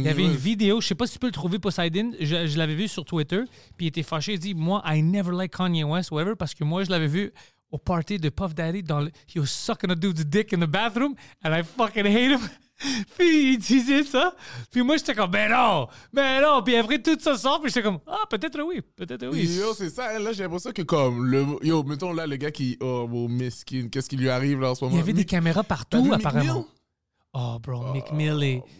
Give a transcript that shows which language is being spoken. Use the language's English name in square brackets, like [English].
[French] Il y avait une vidéo, je sais pas si tu peux le trouver, Poseidon. Je l'avais vu sur Twitter. Puis il était fâché. Il dit, moi, [English] I never like Kanye West, whatever, [French] parce que moi, je l'avais vu. Au party de Puff Daddy, dans le, [English] he was sucking a dude's dick in the bathroom, and I fucking hate him. [French] Puis il disait ça. Puis moi, j'étais comme, mais non. Puis après, tout ça sort, puis j'étais comme, ah, peut-être oui. Yo, c'est ça. Là, j'ai l'impression que comme, mettons là, le gars qui, oh, bon, miskin, qu'est-ce qui lui arrive là en ce moment? Il y avait des caméras partout, apparemment. Oh, bro, Meek Mill est.